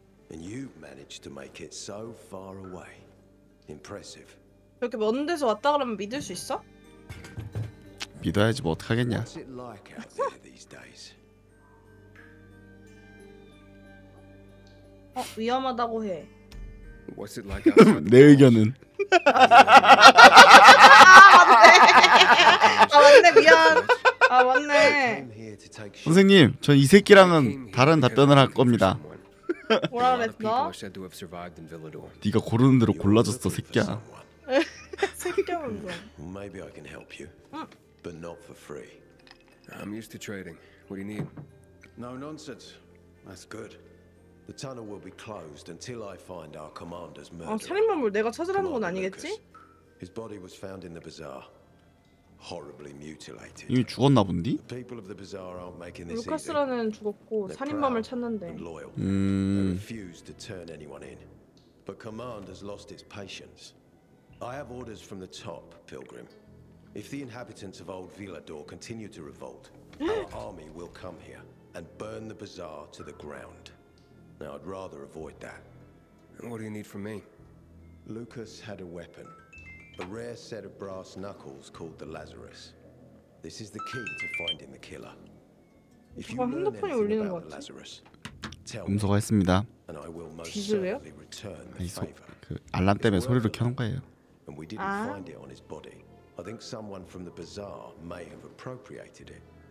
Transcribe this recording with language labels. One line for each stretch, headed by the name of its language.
English: And you managed to make it so far away. Impressive.
Korean: 이렇게 먼 데서 왔다 그러면 믿을 수 있어? 믿어야지 뭐 어떡하겠냐.
English: What's it like out there these days?
Korean: 어, 위험하다고 해.
English: What's it like out there?
Korean: 내 의견은. 아, 맞네. 아, 맞네. 미안. 아, 맞네. 선생님, 전 이 새끼랑은 다른 답변을 할 겁니다. 뭐라 그랬어? 네가 고르는 대로 골라줬어, 새끼야. 새끼야, 뭔가.
English: Maybe I can help you. But not for free. I'm used to trading. What do you need? No nonsense. That's good. The tunnel will be closed until I find our commander's murderer.
Korean: 살인범을 내가 찾으라는 건 아니겠지?
English: His body was found in the bazaar, horribly mutilated.
Korean: 이미 죽었나 본디?
English: The people of the bazaar aren't making this easy.
Korean: 루카스라는 죽었고 살인범을 찾는데.
English: They refuse to turn anyone in, but command has lost its patience. I have orders from the top, Pilgrim. If the inhabitants of Old Villador continue to revolt, our army will come here and burn the bazaar to the ground. Now I'd rather avoid that. What do you need from me? Lucas had a weapon, a rare set of brass knuckles called the Lazarus. This is the key to finding the killer. If you learn anything about the Lazarus, tell me.
Korean: 음소거 했습니다. 뒤질래요? 그 알람 때문에 소리를 켜는 거예요.
English: And we didn't find it on his body. I think someone from the bazaar may have appropriated it.